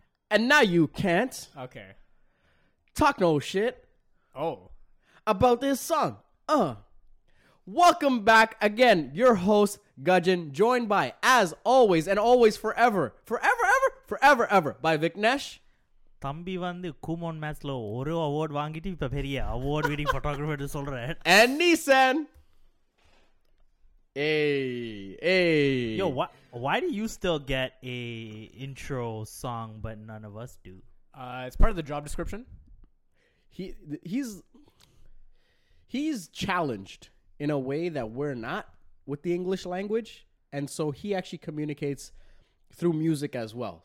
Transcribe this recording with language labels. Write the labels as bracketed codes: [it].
[en] And now you can't. Okay. Talk no shit. Oh. About this song. Welcome back again, your host, Gudgeon, joined by, as always, and always forever, by Viknesh. [ta] தம்பி வந்து கூமோன் மேட்ச்ல ஒரு award வாங்கிட்டு இப்ப பெரிய award winning photographer னு சொல்றேன். And நீசன். ஏய். [en] யோ, why do you still get a intro song but none of us do? It's part of the job description. He's challenged in a way that we're not with the English language, and so he actually communicates through music as well.